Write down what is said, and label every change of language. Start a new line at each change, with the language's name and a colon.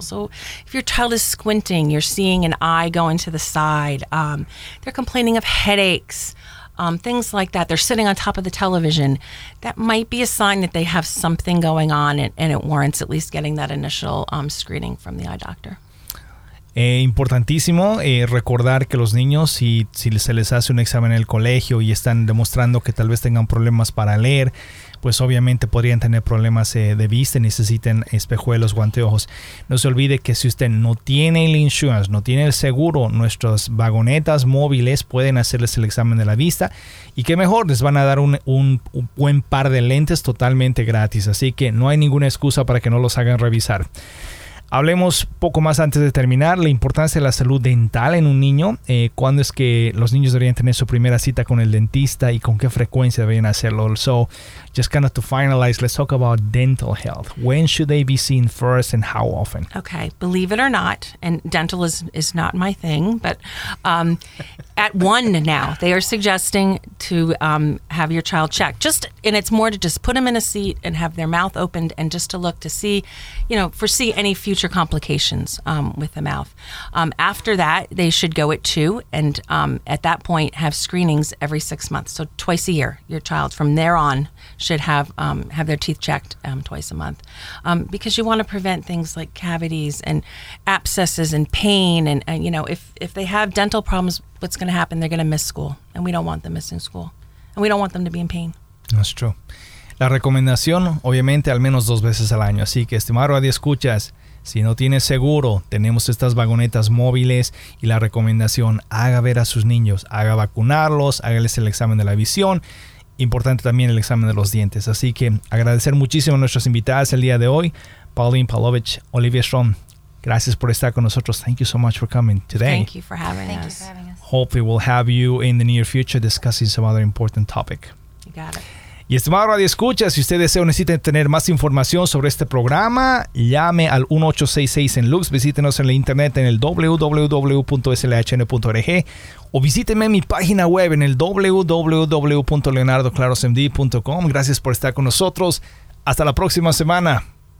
English: So if your child is squinting, you're seeing an eye going to the side, they're complaining of headaches, things like that. They're sitting on top of the television. That might be a sign that they have something going on and it warrants at least getting that initial screening from the eye doctor.
Spanish: Importantísimo recordar que los niños, si se les hace un examen en el colegio y están demostrando que tal vez tengan problemas para leer, pues obviamente podrían tener problemas de vista y necesiten espejuelos o anteojos. No se olvide que si usted no tiene el insurance, no tiene el seguro, nuestras vagonetas móviles pueden hacerles el examen de la vista. Y qué mejor, les van a dar un buen par de lentes totalmente gratis. Así que no hay ninguna excusa para que no los hagan revisar. Hablemos poco más antes de terminar, la importancia de la salud dental en un niño. ¿Cuándo es que los niños deberían tener su primera cita con el dentista y con qué frecuencia deberían hacerlo?
English: So, just kind of to finalize, let's talk about dental health. When should they be seen first and how often? Okay, believe it or not, and dental is not my thing, but at one now, they are suggesting to have your child checked. Just, and it's more to just put them in a seat and have their mouth opened and just to look to see, you know, foresee any future complications with the mouth. After that, they should go at two and at that point have screenings every 6 months. So twice a year, your child from there on should have their teeth checked twice a month. Because you want to prevent things like cavities and abscesses and pain. And you know, if they have dental problems, what's going to happen? They're going to miss school. And we don't want them missing school. And we don't want them to be in pain. That's true.
Spanish: La recomendación, obviamente, al menos dos veces al año. Así que, estimado Radio Escuchas, si no tienes seguro, tenemos estas vagonetas móviles y la recomendación, haga ver a sus niños, haga vacunarlos, hágales el examen de la visión. Importante también el examen de los dientes. Así que agradecer muchísimo a nuestras invitadas el día de hoy, Pauline Pavlovich, Olivia Strom. Gracias por estar con nosotros.
English: Thank you so much for coming today. Thank you for having us. Hopefully we'll have you in the near future discussing some other important topic. You got it.
Spanish: Y estimado Radio Escucha, si usted desea o necesita tener más información sobre este programa, llame al 1-866 en Lux, visítenos en la internet en el www.slhn.org o visíteme en mi página web en el www.leonardoclarosmd.com. Gracias por estar con nosotros. Hasta la próxima semana.